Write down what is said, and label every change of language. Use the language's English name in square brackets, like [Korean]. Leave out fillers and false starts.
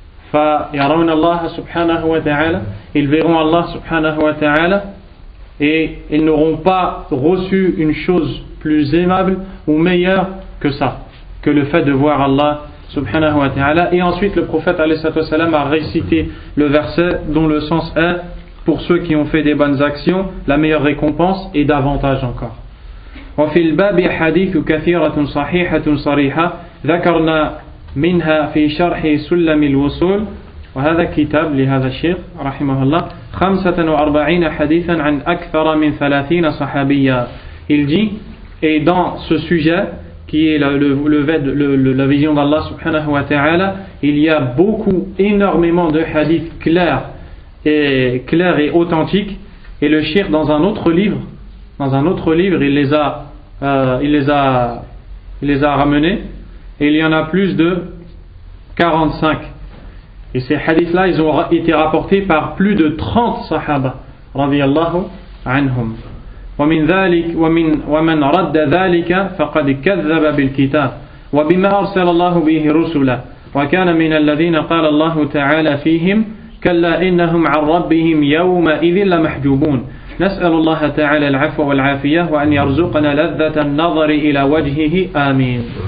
[Arabic] فيرون الله سبحانه وتعالى [French] ils verront Allah [Arabic] سبحانه وتعالى [French] et ils n'auront pas reçu une chose plus aimable ou meilleure que ça que le fait de voir Allah سبحانه وتعالى et ensuite le prophète [Arabic] عليه الصلاة والسلام [French] a récité le verset dont le sens est pour ceux qui ont fait des bonnes actions la meilleure récompense et davantage encore. [Arabic] وفي الباب حديث كثيرة صحيحة صريحة ذكرنا منها في شرح سلم الوصول وهذا كتاب لهذا الشيخ رحمه الله 45 حديثا عن أكثر من 30 صحابيا. [French] Il dit, et dans ce sujet qui est la vision d'Allah [Arabic] subhanahu wa ta'ala, [French] il y a beaucoup, énormément de hadiths clairs et authentiques. Et le shir dans un autre livre, il les a ramenés, et il y en a plus de 45. Et ces hadiths-là, ils ont été rapportés par plus de 30 sahaba, [Arabic] radiyallahu anhum. ومن ذلك ومن رد ذلك فقد كذب بالكتاب وبما أرسل الله به رسلا وكان من الذين قال الله تعالى فيهم كلا إنهم عن ربهم يومئذ لمحجوبون. نسأل الله تعالى العفو والعافية وأن يرزقنا لذة النظر إلى وجهه آمين.